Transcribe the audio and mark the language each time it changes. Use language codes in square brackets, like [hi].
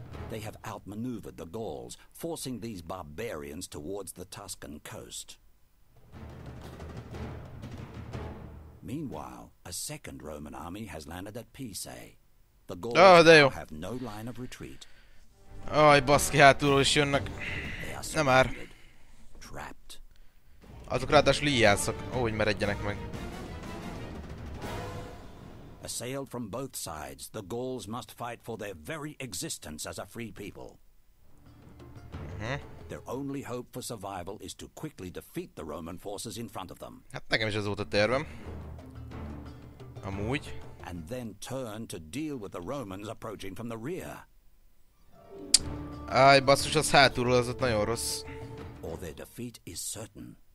[en] They have outmaneuvered the Gauls, forcing these barbarians towards the Tuscan coast. Meanwhile, a second Roman army has landed at Pisae. The Gauls have no line of retreat. [hu] Aj, baszki, hátulról is jönnek. Nem már. Azok ráadásul íjászok. Ó, hogy meredjenek meg. [en] Assailed from both sides, the Gauls must fight for their very existence as a free people. Uh-huh. Their only hope for survival is to quickly defeat the Roman forces in front of them. [hu] Hát nekem is ez volt a tervem. Amúgy. [en] And then turn to deal with the Romans approaching from the rear. [hu] Áj, basszus, az hátulról az ott nagyon rossz. [en] Or their defeat is certain.